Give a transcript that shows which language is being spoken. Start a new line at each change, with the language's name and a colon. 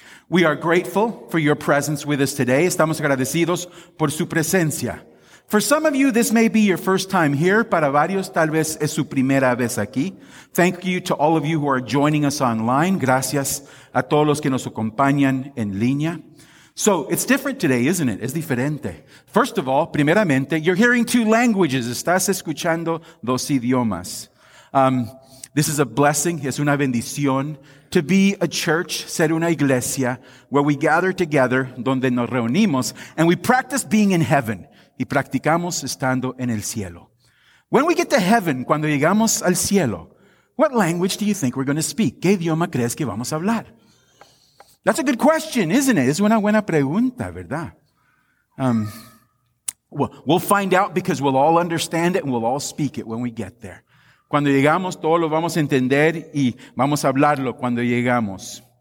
English: We are grateful for your presence with us today.
Spanish: Estamos agradecidos por su presencia.
English: For some of you, this may be your first time here.
Spanish: Para varios, tal vez es su primera vez aquí.
English: Thank you to all of you who are joining us online.
Spanish: Gracias a todos los que nos acompañan en línea.
English: So, it's different today, isn't it?
Spanish: Es diferente.
English: First of all, primeramente, you're hearing two languages.
Spanish: Estás escuchando dos idiomas.
English: This is a blessing,
Spanish: es una bendición,
English: to be a church,
Spanish: ser una iglesia,
English: where we gather together,
Spanish: donde nos reunimos,
English: and we practice being in heaven,
Spanish: y practicamos estando en el cielo.
English: When we get to heaven,
Spanish: cuando llegamos al cielo,
English: what language do you think we're going to speak?
Spanish: ¿Qué idioma crees que vamos a hablar?
English: That's a good question, isn't it?
Spanish: Es una buena pregunta, ¿verdad?
English: We'll find out because we'll all understand it and we'll all speak it when we get there.
Spanish: Cuando llegamos, todos lo vamos a entender y vamos a hablarlo cuando llegamos.